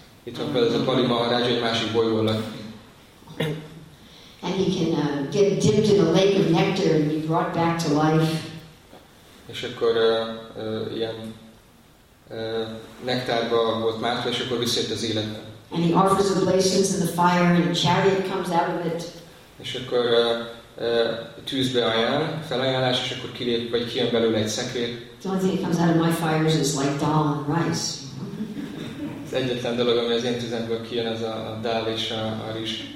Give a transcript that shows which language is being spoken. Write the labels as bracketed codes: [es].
[hu] Itt van például ez a Bali Maharaj, egy másik bolygón lakik. [en] and he can get dipped in a lake of nectar and be brought back to life. [hu] És akkor ilyen nektárba volt mártva, és akkor visszajött az életbe. [en] And he offers oblations in the fire, and a chariot comes out of it. [hu] És akkor tűzbe ajánl, felajánlás, és akkor kilép, vagy kijön belőle egy szekér. [en] The only thing that comes out of my fires is like dal and rice. [hu] Az egyetlen dolog, ami az én tüzemből kijön, az a dál és a rizs.